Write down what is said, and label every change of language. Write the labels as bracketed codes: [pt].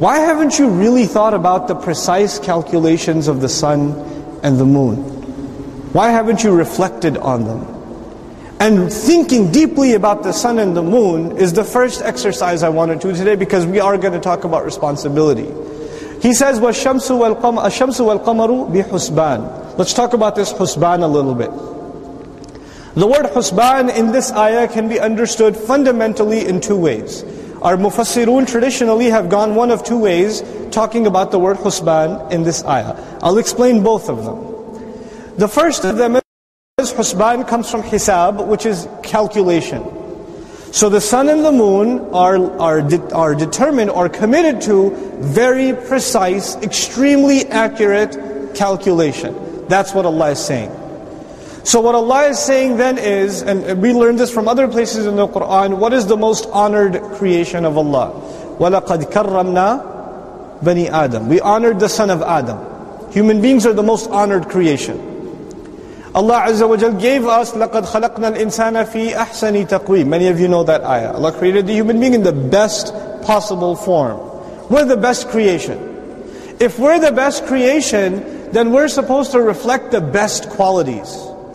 [en] Why haven't you really thought about the precise calculations of the sun and the moon? Why haven't you reflected on them? And thinking deeply about the sun and the moon is the first exercise I wanted to do today, because we are going to talk about responsibility. He says, [ar] وَالشَّمْسُ وَالْقَمَرُ بِحُسْبَانِ. [en] Let's talk about this husban a little bit. The word husban in this ayah can be understood fundamentally in two ways. Our mufassirun traditionally have gone one of two ways talking about the word husban in this ayah. I'll explain both of them. The first of them is husban comes from hisab, which is calculation. So the sun and the moon are determined or committed to very precise, extremely accurate calculation. That's what Allah is saying. So what Allah is saying then is, and we learned this from other places in the Qur'an, what is the most honored creation of Allah? [ar] وَلَقَدْ كَرَّمْنَا بَنِي Adam. [en] We honored the son of Adam. Human beings are the most honored creation. Allah Azza wa Jal gave us, [ar] لَقَدْ خَلَقْنَا الْإِنسَانَ فِي أَحْسَنِ تَقْوِيمٍ. [en] Many of you know that ayah. Allah created the human being in the best possible form. We're the best creation. If we're the best creation, then we're supposed to reflect the best qualities.